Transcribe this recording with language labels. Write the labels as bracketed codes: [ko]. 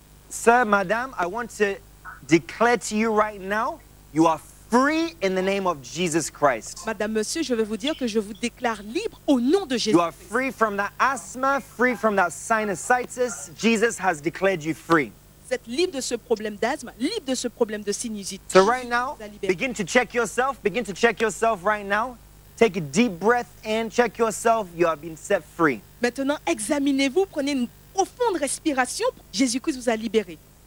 [en] Sir, madam, I want to declare to you right now, you are free in the name of Jesus Christ. [fr] Madame, monsieur, je vais vous dire que je vous déclare libre au nom de Jésus. [en] You are free from that asthma, free from that sinusitis. Jesus has declared you free. [fr] Vous êtes libre de ce problème d'asthme, libre de ce problème de sinusite. [en] So right now, begin to check yourself. Begin to check yourself right now. Take a deep breath in. Check yourself. You have been set free. [fr] Maintenant, examinez-vous. Prenez une profonde respiration, Jésus-Christ vous a libéré.